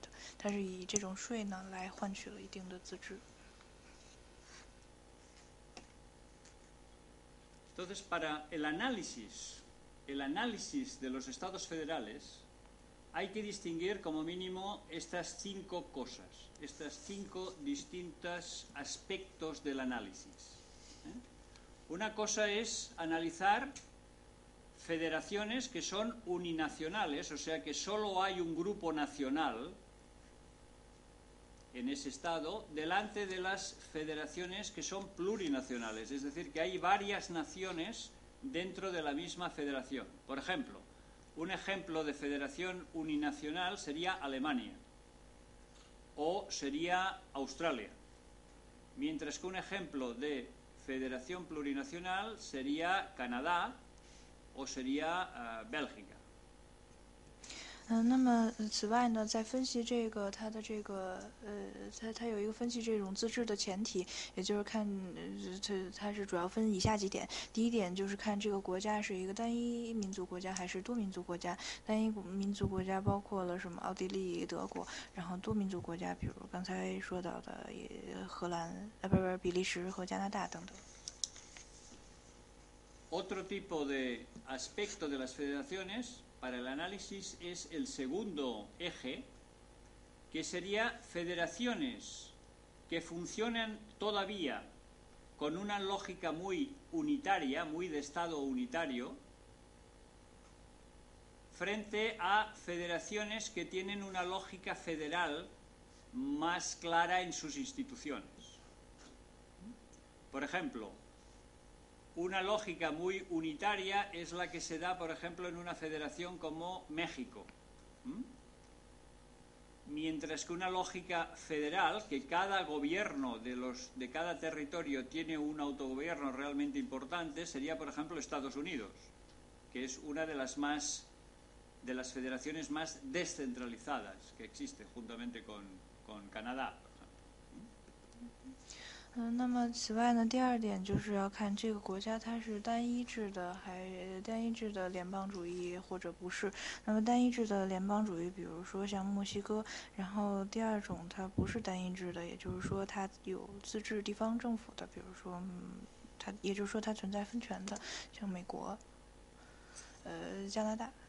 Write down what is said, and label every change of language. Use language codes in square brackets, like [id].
[zh] 那么，第三种情况可能各位不是特别感兴趣，它是这种联合制的国家，在这种国家当中的一些小岛呢，它拥有一些自治权，然后但是它的自治权的前提是要向国家交税，交相关的税的，比如说军事、政治、外交等等方面，就是要为国家这些领域特别交税的，它是以这种税呢来换取了一定的自治。 [es] Para el análisis de los estados federales, hay que distinguir como mínimo estas cinco cosas, estas cinco distintos aspectos del análisis. Una cosa es analizar federaciones que son uninacionales, o sea que solo hay un grupo nacional en ese estado, delante de las federaciones que son plurinacionales, es decir, que hay varias naciones dentro de la misma federación. Por ejemplo, un ejemplo de federación uninacional sería Alemania o sería Australia, mientras que un ejemplo de federación plurinacional sería Canadá o sería Bélgica. [zh] 那么此外呢，在分析这个它的这个它有一个分析这种自治的前提，也就是看它是主要分以下几点。第一点就是看这个国家是一个单一民族国家还是多民族国家。单一民族国家包括了什么？奥地利、德国。然后多民族国家，比如刚才说到的荷兰啊，不是比利时和加拿大等等。 [es] Otro tipo de aspecto de las federaciones. Para el análisis es el segundo eje, que sería federaciones que funcionan todavía con una lógica muy unitaria, muy de estado unitario, frente a federaciones que tienen una lógica federal más clara en sus instituciones. Por ejemplo,Una lógica muy unitaria es la que se da, por ejemplo, en una federación como México. Mientras que una lógica federal, que cada gobierno de cada territorio tiene un autogobierno realmente importante, sería, por ejemplo, Estados Unidos, que es una de las, más, de las federaciones más descentralizadas que existe, juntamente con Canadá. [zh] 那么此外呢，第二点就是要看这个国家它是单一制的，还单一制的联邦主义或者不是。那么单一制的联邦主义，比如说像墨西哥，然后第二种它不是单一制的，也就是说它有自治地方政府的，比如说它，也就是说它存在分权的，像美国，加拿大。